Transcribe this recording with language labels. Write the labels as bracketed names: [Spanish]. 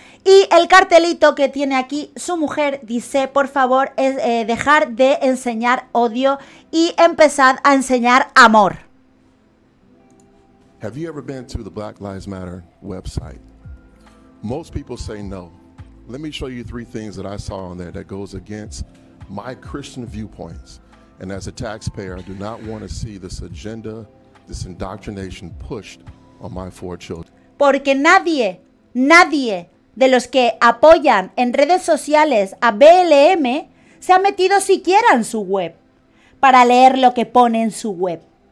[Spanish] Y el cartelito que tiene aquí su mujer dice, por favor, dejar de enseñar odio y empezad a enseñar amor. [English] Have you ever been to the Black Lives Matter website? Most people say no. Let me show you three things that I saw on there that goes against my Christian viewpoints. And as a taxpayer, I do not want to see this agenda, this indoctrination pushed on my four children. [Spanish] Porque nadie de los que apoyan en redes sociales a BLM, se ha metido siquiera en su web para leer lo que pone en su web.